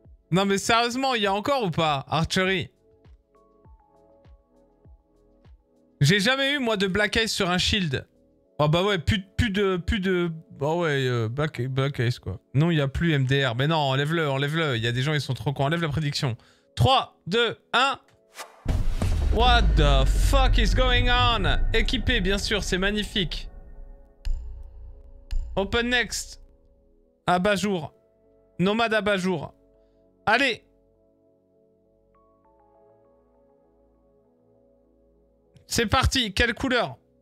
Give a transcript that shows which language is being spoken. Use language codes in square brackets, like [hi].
[fr] Non mais sérieusement, il y a encore ou pas, Archery? J'ai jamais eu, moi, de Black Ice sur un shield. Ah oh, bah ouais, plus de... Oh ouais, Black Ice, quoi. Non, il n'y a plus MDR. Mais non, enlève-le. Il y a des gens, ils sont trop cons. Enlève la prédiction. 3, 2, 1... [en] What the fuck is going on? [fr] Équipé, bien sûr, c'est magnifique. [en] Open next. [fr] Abat-jour. Nomade abat-jour. Allez. C'est parti, quelle couleur?